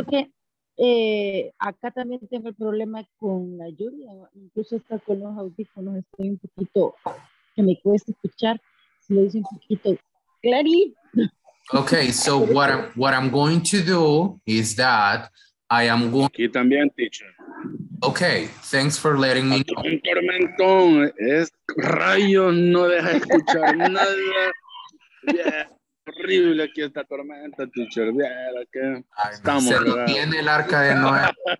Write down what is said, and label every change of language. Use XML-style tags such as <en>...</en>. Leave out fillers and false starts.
<es>Solo que acá también tengo el problema con la lluvia, incluso hasta con los audífonos estoy un poquito, que me cuesta escuchar, si lo dice un poquito clarito.</es> <en>Okay, so what I'm going to do is that I am going...</en> <es>Aquí también, teacher.</es> <en>Okay, thanks for letting me know.</en> <es>Un tormentón, es rayo, no deja escuchar nada. Yeah. Horrible aquí esta tormenta, teacher. Mira, que estamos. Se lo tiene el arca de Noé.</es>